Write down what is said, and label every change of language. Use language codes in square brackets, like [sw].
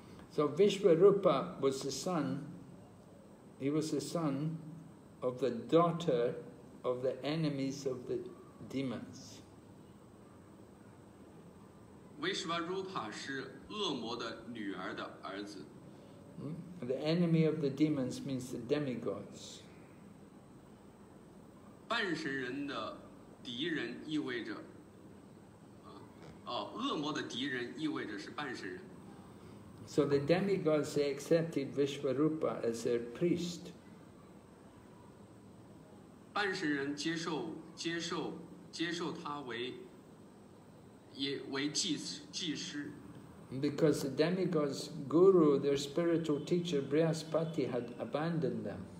[en] So Vishwarupa was the son, he was the son of the daughter. Of the enemies of the demons. [zh] Vishwarupa 是恶魔的女儿的儿子。 [en] The enemy of the demons means the demigods. [zh] 半神人的敌人意味着，恶魔的敌人意味着是半神人。 [en] So the demigods they accepted Vishwarupa as their priest. [zh] 半神人接受他为祭师。 [en] Because the demigods' guru, their spiritual teacher, Brihaspati, had abandoned them.